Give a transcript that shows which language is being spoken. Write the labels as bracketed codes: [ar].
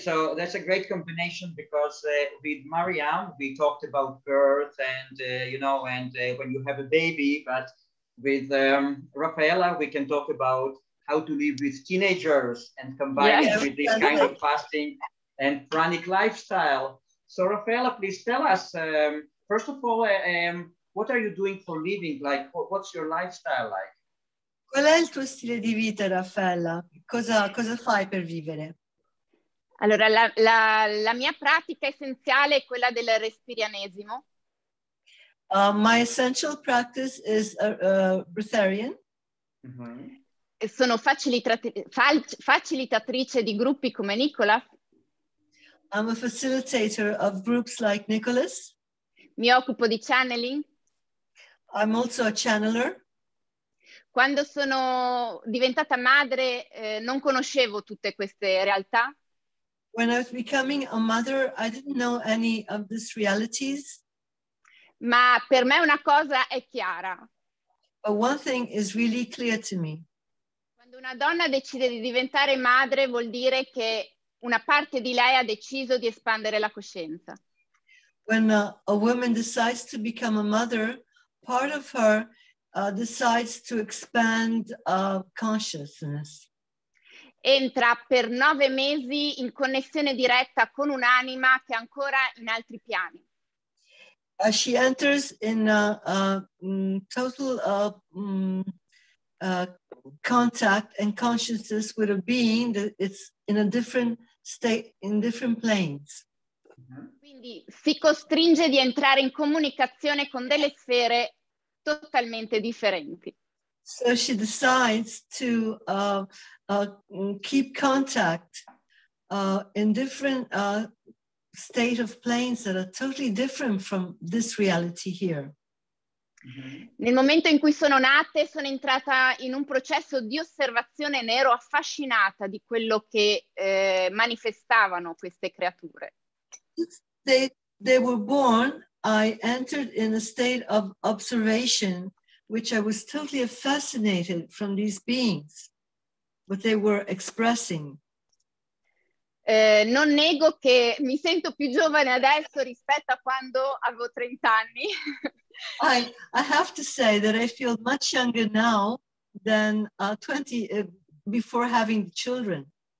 [en] So that's a great combination, because with MaryÂm, we talked about birth and, you know, and when you have a baby, but with Raffaella, we can talk about how to live with teenagers and combine it with this kind of fasting and pranic lifestyle. So Raffaella, please tell us, first of all, what are you doing for living? Like, what's your lifestyle like? [it] Qual è il tuo stile di vita, Raffaella? Cosa fai per vivere? Allora, la mia pratica essenziale è quella del respirianesimo. [en] My essential practice is breatharian. [it] Mm-hmm. Sono facilitatrice di gruppi come Nicholas. [en] I'm a facilitator of groups like Nicholas. [it] Mi occupo di channeling. [en] I'm also a channeler. [it] Quando sono diventata madre, non conoscevo tutte queste realtà. [en] When I was becoming a mother, I didn't know any of these realities. [it] Ma per me una cosa è chiara. [en] But one thing is really clear to me. [it] Quando una donna decide di diventare madre, vuol dire che una parte di lei ha deciso di espandere la coscienza. [en] When a woman decides to become a mother, part of her decides to expand consciousness. [it] Entra per 9 mesi in connessione diretta con un'anima che è ancora in altri piani. [en] She enters in total contact and consciousness with a being that it's in a different state, in different planes. [it] Quindi si costringe di entrare in comunicazione con delle sfere totalmente differenti. [en] So she decides to keep contact in different state of planes that are totally different from this reality here. [it] Nel momento in cui sono nate, sono entrata in un processo di osservazione e ero affascinata di quello che manifestavano queste creature. [en] They were born, I entered in a state of observation, which I was totally fascinated from these beings, what they were expressing. [it] Non nego che mi sento più giovane adesso rispetto a quando avevo 30 anni. [en] I have to say that I feel much younger now than 20 before having children.